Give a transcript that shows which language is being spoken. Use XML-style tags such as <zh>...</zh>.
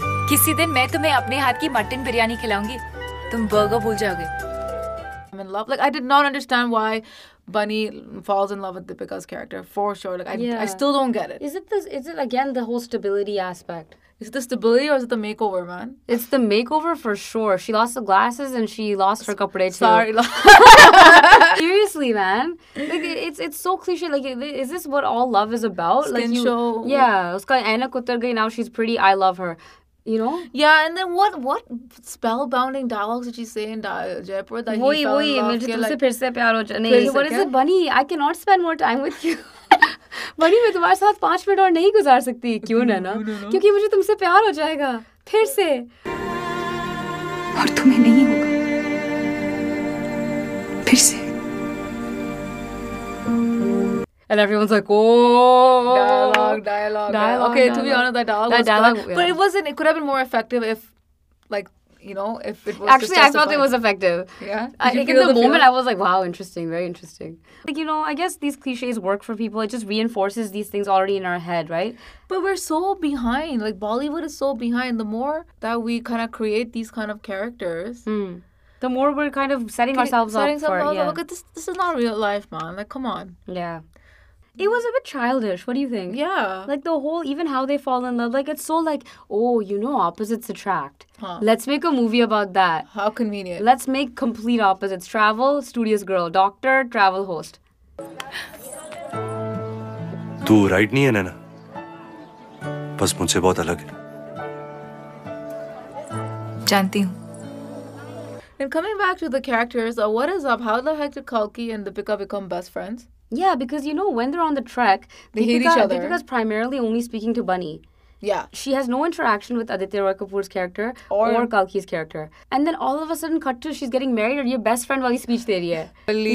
<hi>किसी दिन मैं तुम्हें अपने हाथ की मटन बिरयानी खिलाऊंगी तुम बर्गर भूल जाओगे</hi> <en>I'm in love. Like, I did not understand why Bunny falls in love with Deepika's character, for sure. Like, I still don't get it. Is it, again, the whole stability aspect? Is it the stability or is it the makeover, man? It's the makeover for sure. She lost the glasses and she lost her kapde too. Sorry. Seriously, man. Like, it's so cliche. Like, is this what all love is about? Skin like, show. Yeah.</en> <hi>Uska aina kutar gayi,</hi> <en>now she's pretty. I love her. You know? Yeah, and then what spellbounding dialogues did she say in Jaipur that he fell in love with?</en> <hi>Like, फिर से प्यार हो जाने.</hi> <en>What is it, Bunny? I cannot spend more time with you.</en> <hi>बनी, मैं तुम्हारे साथ 5 minute और नहीं गुज़ार सकती. क्यों ना?</hi> <en>No.</en> <hi>क्योंकि मुझे तुमसे प्यार हो जाएगा. फिर से. Aur tumhe nahi hoga. Phir se.</hi> <en>And everyone's like, oh. Dialogue. Okay, dialogue. To be honest, that dialogue that was dialogue, but it wasn't, it could have been more effective if, like, you know, if it was actually, I felt it was effective. Yeah? In the moment, I was like, wow, interesting, very interesting. Like, you know, I guess these cliches work for people. It just reinforces these things already in our head, right? But we're so behind. Like, Bollywood is so behind. The more that we kind of create these kind of characters, the more we're kind of setting ourselves up for it. Like, this is not real life, man. Like, come on. Yeah. It was a bit childish. What do you think? Yeah. Like the whole, even how they fall in love, like it's so like, oh, you know, opposites attract. Huh. Let's make a movie about that. How convenient. Let's make complete opposites. Travel, studious girl, doctor, travel host.</en> <hi>तू right नहीं है नैना, बस मुझसे बहुत अलग है। जानती हूँ।</hi> <en>And coming back to the characters, what is up? How the heck did Kalki and Deepika become best friends? Yeah, because you know when they're on the trek, they hate each other. Deepika's primarily only speaking to Bunny. Yeah. She has no interaction with Aditya Roy Kapoor's character or Kalki's character. And then all of a sudden, cut to, she's getting married and your best friend</en> <hi>वाली</hi> <en>speech</en> <hi>दे रही है.</hi>